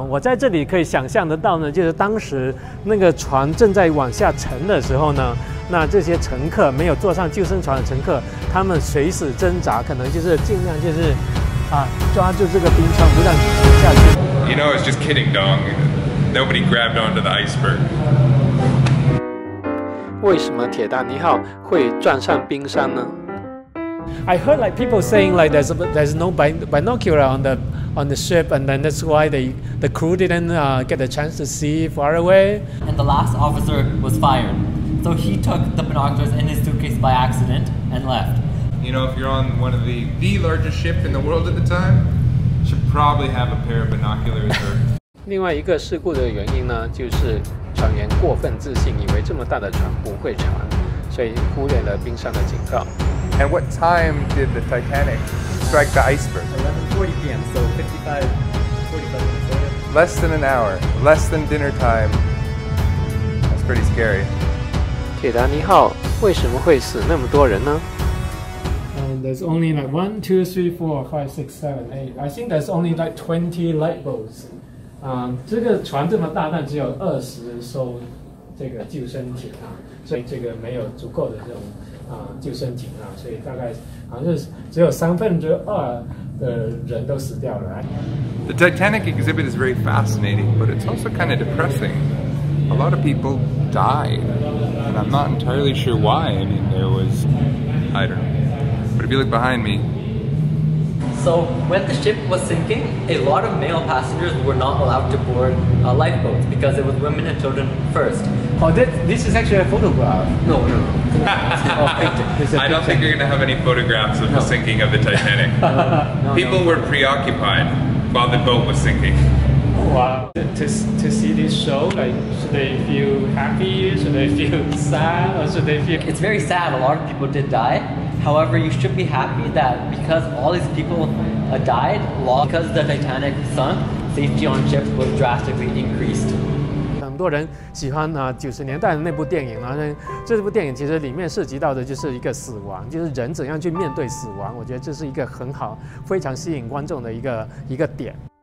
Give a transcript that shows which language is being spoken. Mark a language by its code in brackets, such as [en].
[zh] 我在这里可以想象得到呢，就是当时那个船正在往下沉的时候呢，那这些乘客没有坐上救生船的乘客，他们垂死挣扎，可能就是尽量就是啊抓住这个冰川不让沉下去。 [en] You know, I was just kidding, Dong. Nobody grabbed onto the iceberg. [zh] 为什么铁达尼号会撞上冰山呢？ [en] I heard like people saying like there's no binocular on the ship, and then that's why the crew didn't get a chance to see far away. And the last officer was fired, so he took the binoculars in his suitcase by accident and left. You know, if you're on one of the largest ship in the world at the time, you should probably have a pair of binoculars. [zh] 另外一个事故的原因呢，就是。船员过分自信，以为这么大的船不会沉，所以忽略了冰山的警告。 [en] And what time did the Titanic strike the iceberg? 11:40 p.m. So 55 minutes. Less than an hour. Less than dinner time. That's pretty scary. [zh] 铁达尼号为什么会死那么多人呢？ [en] And there's only like 1, 2, 3, 4, 5, 6, 7, 8. I think there's only like 20 light bulbs. [zh] 这个船这么大，但只有20艘这个救生艇啊，所以这个没有足够的这种救生艇啊，所以大概好像是只有2/3的人都死掉了。 [en] The Titanic exhibit is very fascinating, but it's also kind of depressing. A lot of people died, and I'm not entirely sure why. I mean, there was, I don't know. But if you look behind me. So when the ship was sinking, a lot of male passengers were not allowed to board a lifeboat because it was women and children first. Oh, this is actually a photograph. No. I don't think you're going to have any photographs of the sinking of the Titanic. People were preoccupied while the boat was sinking. Wow. To see this show, like, should they feel happy? Should they feel sad? Or should they feel... It's very sad. A lot of people did die. However, you should be happy that because all these people died, because the Titanic sunk, safety on ships was drastically increased. [zh] 很多人喜欢90年代的那部电影啊，这部电影其实里面涉及到的就是一个死亡，就是人怎样去面对死亡。我觉得这是一个很好、非常吸引观众的一个点。